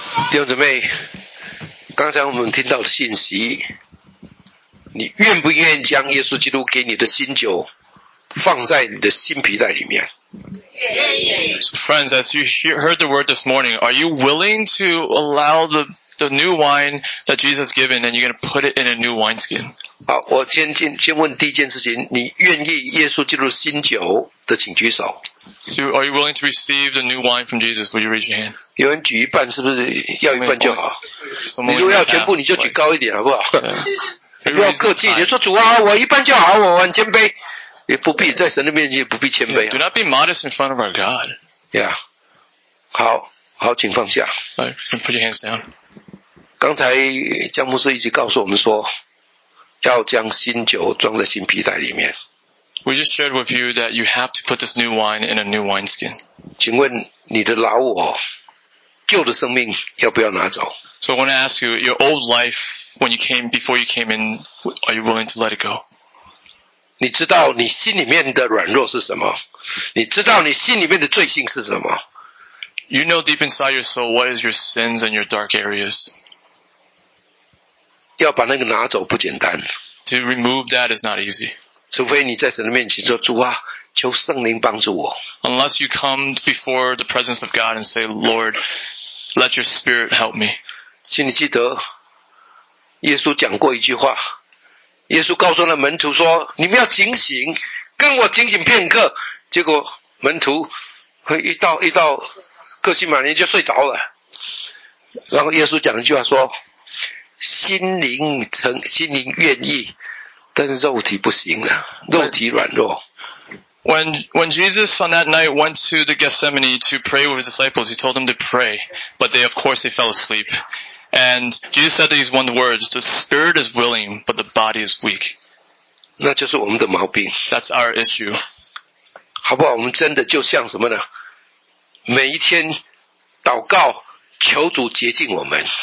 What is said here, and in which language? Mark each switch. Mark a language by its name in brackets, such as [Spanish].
[Chinese] 弟兄姊妹，刚才我们听到的信息，你愿不愿意将耶稣基督给你的新酒放在你的新皮带里面？ [English] So friends, as you heard the word this morning, are you willing to allow the new wine that Jesus given, and you're going to put it in a new wineskin? [Chinese] 好，我先问第一件事情，你愿意耶稣基督新酒的，请举手。 [English] So are you willing to receive the new wine from Jesus? Would you raise your hand? [Chinese] 有人举一半，是不是要一半就好？ [English] Someone, [Chinese] 你如果要全部，你就举高一点，好不好？ [English] Yeah. [Chinese] 不要客气，你说主啊，我一半就好，我很谦卑。也不必在神的面前，也不必谦卑、 [English] Yeah, do not be modest in front of our God. [Chinese] Yeah. 好，好，请放下。 [English] Right, put your hands down. [Chinese] 刚才江牧师一直告诉我们说，要将新酒装在新皮带里面。 [English] We just shared with you that you have to put this new wine in a new wineskin. [Chinese] 请问你的老我，旧的生命要不要拿走？ [English] So I want to ask you, your old life, when you came, before you came in, are you willing to let it go? [Chinese] 你知道你心里面的软弱是什么？你知道你心里面的罪性是什么？ [English] You know deep inside your soul what is your sins and your dark areas. [Chinese] 要把那个拿走不简单。 [English] To remove that is not easy. [Chinese] 除非你在神的面前说，主啊，求圣灵帮助我。 [English] Unless you come before the presence of God and say, Lord, let your spirit help me. [Chinese] 请你记得，耶稣讲过一句话，耶稣告诉了门徒说，你们要警醒，跟我警醒片刻。结果门徒一到客西马尼就睡着了。然后耶稣讲一句话说，心灵愿意，但是肉体不行了，肉体软弱。 [English] When Jesus on that night went to the Gethsemane to pray with his disciples, he told them to pray, but they, of course, they fell asleep. And Jesus said these one words, the spirit is willing, but the body is weak. [Chinese] 那就是我们的毛病。 [English] That's our issue. [Chinese] 好不好，我们真的就像什么呢？每一天祷告，求主洁净我们。